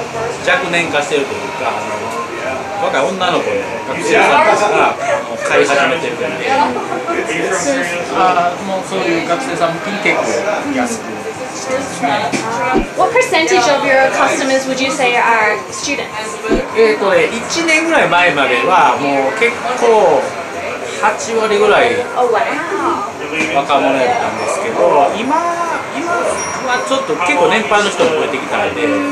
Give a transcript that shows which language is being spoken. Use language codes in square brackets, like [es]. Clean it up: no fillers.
[ja] 8割9割はもう買い取りです。結構日本は今もう10年以上レコードブームが来てまして、それがかなりちょっと若年化してるというか、若い女の子の学生さんたちが買い始めてるんで、もうそういう学生さんも結構安く。 [en] What percentage of your customers would you say are students? [ja] 1年ぐらい前までは、もう結構8割ぐらい若者やったんですけど、今はちょっと結構年配の人も増えてきたんで、